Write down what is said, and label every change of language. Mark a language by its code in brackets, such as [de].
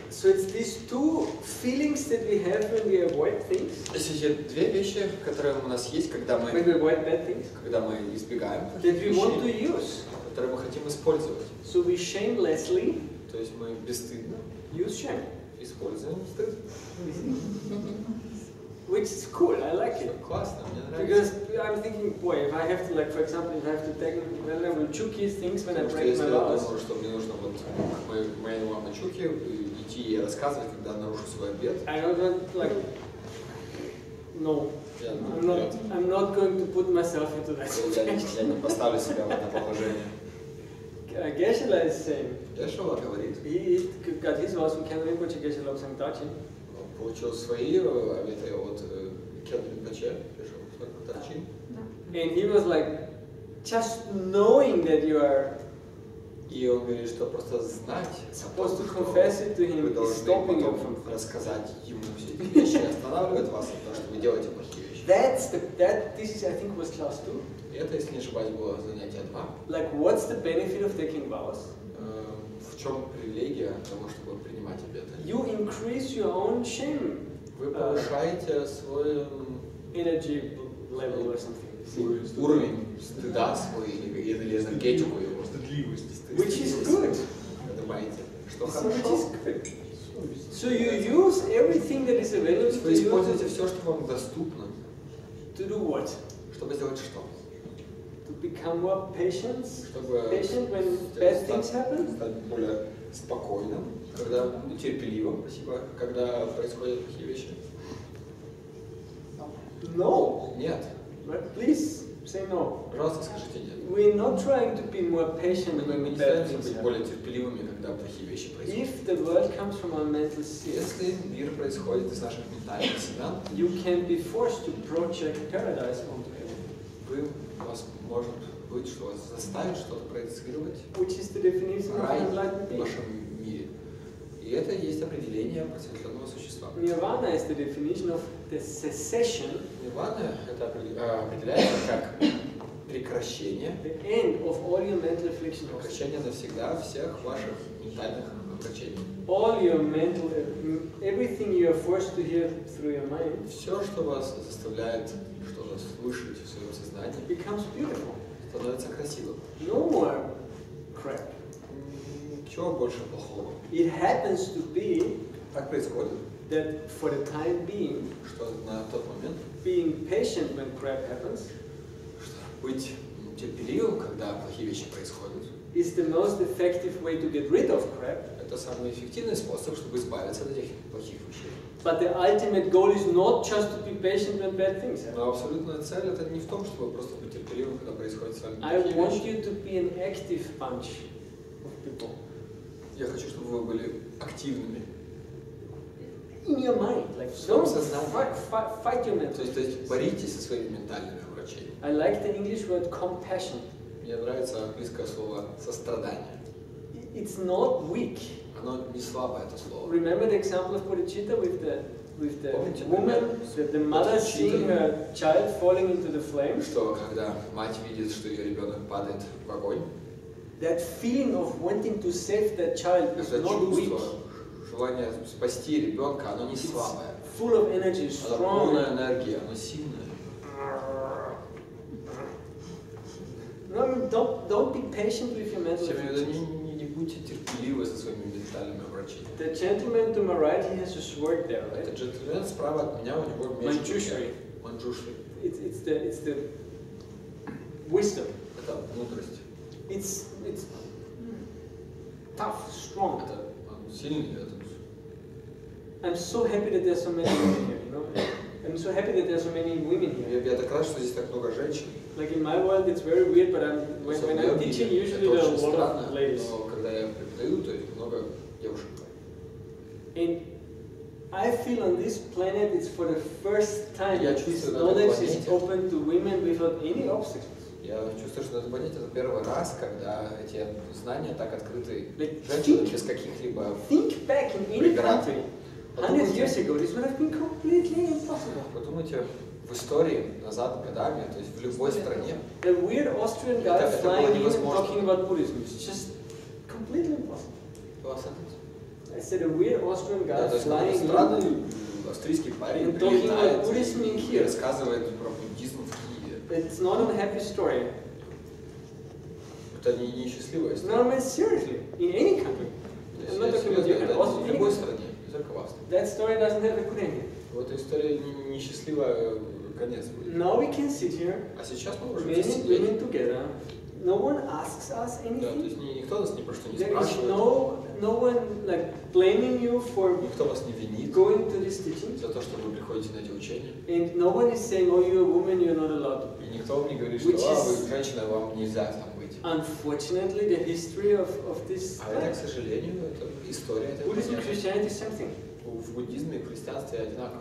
[en] So it's these two feelings that we have when we avoid things. [ru] Эти две вещи, которые у нас есть, когда мы. [en] When we avoid bad things. [ru] Когда мы избегаем. [en] That we want to use. [ru] Которые мы хотим использовать. [en] So we shamelessly. [ru] То есть мы бесстыдно [en] use shame. [ru] Используем стыд. [en] Which is cool, I like it. [ru] Классно, мне нравится. [en] Because I'm thinking, boy, if I have to, like, for example, if I have to take my level chuki things when I break my laws. [ru] Потому что мне нужно вот моей мама чуки идти и рассказывать, когда нарушу свой обет. [en] I don't want, like, no. I'm not going to put myself into that situation. [ru] Я не поставлю себя в это положение. [en] Geshe-la is same. [ru] Geshe-la говорит. [en] He got his vows from Kendrick Rinpoche, Geshe-la was in Dachi. [ru] Получил свои обеты от Kendrick Rinpoche, [en] Geshe-la was in Dachi. And he was like, just knowing that you are... [ru] И он говорит, что просто знать... [en] Supposed to confess it to him, is stopping you from... [ru] Рассказать ему все эти вещи, останавливает вас от того, что вы делаете плохие вещи. [en] That's the... That, this is, I think, was class 2. [ru] Это, если не ошибаюсь, было занятие 2. [en] Like, what's the benefit of taking vows? [ru] В чем привилегия того, чтобы принимать обеты? [en] You increase your own shame. [ru] Вы повышаете свой... [en] Energy level or something. [ru] Уровень стыда свой, или энергетику его. Стыдливость. [en] Which is good. [ru] Вы думаете, что хорошо? [en] So you use everything that is available to you. [ru] Вы используете все, что вам доступно. [en] To do what? [ru] Чтобы сделать что? [en] Become more patient. Patient when bad things happen. [ru] Стать более спокойным, когда терпеливым, спасибо, когда происходят плохие вещи. [en] No. [ru] Нет. [en] But please say no. [ru] Пожалуйста, скажите нет. [en] We're not trying to be more patient. [ru] Мы не стараемся быть более терпеливыми, когда плохие вещи происходят. [en] If the world comes from our mental sphere. [ru] Если мир происходит из наших ментальных сфер. [en] You can be forced to project paradise onto heaven. [ru] Может быть, что вас заставит что-то проецировать. [en] Which is the definition of enlightened being. [ru] В нашем мире. И это есть определение просветленного существа. [en] Nirvana is the definition of the cessation. [ru] Nirvana это определяется как прекращение. [en] The end of all your mental affliction. [ru] Прекращение навсегда всех ваших ментальных огорчений. [en] all your mental, everything you are forced to hear through your mind. [ru] Все, что вас заставляет что-то слушать в своем сознании. [en] Becomes beautiful. [ru] Становится красивым. [en] No more crap. [ru] Чего больше плохого? [en] It happens to be. [ru] Так происходит. [en] That for the time being. [ru] Что на тот момент? [en] Being patient when crap happens. [ru] Что быть терпеливым, когда плохие вещи происходят. [en] Is the most effective way to get rid of crap. [ru] Это самый эффективный способ, чтобы избавиться от этих плохих вещей. [en] But the ultimate goal is not just to be patient when bad things happen. [ru] Но абсолютная цель это не в том, чтобы просто быть терпеливым, когда происходят с вами плохие [en] want you to be an active bunch of people. [ru] Я хочу, чтобы вы были активными. [en] In your mind, like fight your mental. [ru] То есть боритесь со своими ментальными врачами. [en] I like the English word compassion. [ru] Мне нравится английское слово сострадание. [en] It's not weak. [ru] Оно не слабое, это слово. [en] Remember the example of Bodhicitta with the [ru] помните, [en] woman, the mother seeing her child falling into the flame. [ru] Что когда мать видит, что ее ребенок падает в огонь? [en] That feeling of wanting to save that child is not [ru] чувство, [en] weak. [ru] Желание спасти ребенка, оно не слабое. [en] It's full of energy, strong. [ru] Оно полная энергия, оно сильное. [en] No, don't be patient with your mental physicians. [ru] Не будьте терпеливы со своими ментальными врачами. [en] The gentleman to my right, he has a sword there, right? [ru] Этот джентльмен справа от меня, у него меч. Манджушри. Манджушри. [en] It's the wisdom. [ru] Это мудрость. [en] It's tough, strong. [ru] Это он сильный, этот. [en] I'm so happy that there's so many women here, you know? I'm so happy that there's so many women here. [ru] Я так рад, что здесь так много женщин. [en] Like in my world, it's very weird, but when I'm teaching, usually there are a lot of ladies. [ru] Но когда я преподаю, то есть много девушек. [en] And I feel on this planet, it's for the first time that this knowledge is open to women without any obstacles. [ru] Я чувствую, что на этой планете это первый раз, когда эти знания так открыты женщинам без каких-либо. [en] Think back in any country. 100 years ago, this would have been completely impossible. [ru] Подумайте. В истории назад годами, то есть в любой стране. [en] The weird Austrian guy flying in and talking about Buddhism. It's just completely impossible. I said a weird Austrian guy flying in. [ru] Да, то есть странный австрийский парень приезжает и рассказывает про буддизм в Киеве. [en] It's not a happy story. [ru] Это не счастливая история. [en] No, I mean seriously, in any country. I'm not talking about Austria. [ru] В любой стране, не только в Австрии. [en] That story doesn't have a good ending. [ru] Вот история несчастливая конец будет. [en] Now we can sit here. [ru] А сейчас мы можем сидеть. [en] Together. No one asks us anything. [ru] Да, то есть никто нас ни про что не [en] There [ru] спрашивает. [en] No one like blaming you for. [ru] Никто вас не винит. [en] Going to this teaching. [ru] За то, что вы приходите на эти учения. [en] And no one is saying, oh, you're a woman, you're not allowed. [ru] И никто вам не говорит, что а, вы женщина, вам нельзя там быть. [en] Unfortunately, the history of this. [ru] А это, к сожалению, это история. [en] Buddhism and Christianity is something. [ru] В буддизме и христианстве одинаково.